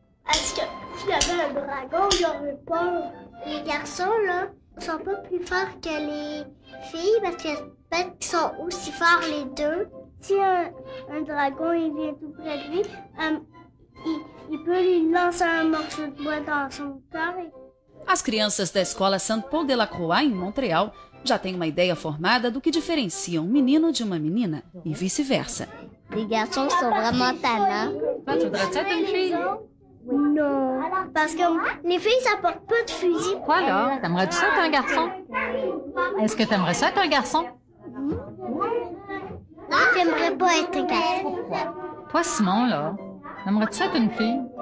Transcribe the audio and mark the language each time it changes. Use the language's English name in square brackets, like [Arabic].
[French] Est-ce que si j'avais un dragon, j'aurais peur? Les garçons, là, sont pas plus forts que les filles parce que peut-être qu'ils sont aussi forts les deux. Si un dragon, il vient tout près de lui, il peut lui lancer un morceau de bois dans son cœur. [Portuguese] As crianças da escola Saint-Paul de la Croix, em Montreal, já têm uma ideia formada do que diferencia um menino de uma menina e vice-versa. [French] Les garçons sont vraiment talents. Tu voudrais être une fille? Non, parce que les filles, ça porte pas de fusil. Quoi alors? T'aimerais-tu ça être un garçon? Est-ce que t'aimerais ça être un garçon? Non, j'aimerais pas être un garçon. Toi, Simon, là, t'aimerais-tu ça être une fille?